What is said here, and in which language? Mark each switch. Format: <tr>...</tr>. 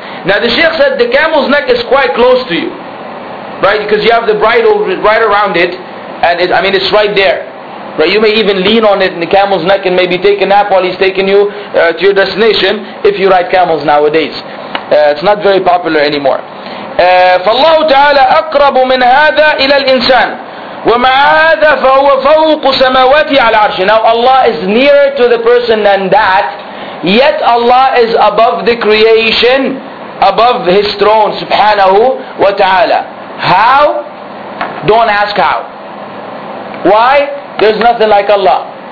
<en>Now the Shaykh said, the camel's neck is quite close to you, right? Because you have the bridle right around it, and it's right there. Right, you may even lean on it in the camel's neck and maybe take a nap while he's taking you to your destination if you ride camels nowadays. It's not very popular anymore.</en> <ar>فالله تعالى أقرب من هذا إلى الإنسان ومع هذا فهو فوق سماواته على عرشه.</ar> <en>Now Allah is nearer to the person than that, yet Allah is above the creation, above His throne, سبحانه وتعالى. How? Don't ask how. Why? There's nothing like Allah.</en>